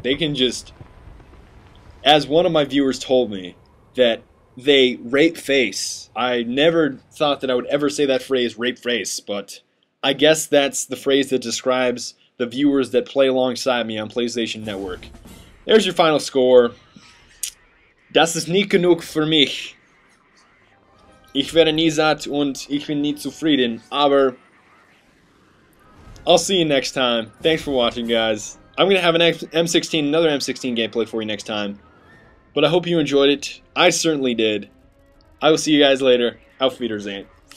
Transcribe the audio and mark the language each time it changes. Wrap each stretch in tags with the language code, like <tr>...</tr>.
<en>They can just, as one of my viewers told me, that they rape face. I never thought that I would ever say that phrase, rape face, but I guess that's the phrase that describes the viewers that play alongside me on PlayStation Network. There's your final score.</en> <de>Das ist nicht genug für mich. Ich werde nie satt und ich bin nie zufrieden, aber</de> <en>I'll see you next time. Thanks for watching, guys. I'm going to have another M16 gameplay for you next time. But I hope you enjoyed it. I certainly did. I will see you guys later. Auf Wiedersehen.</en>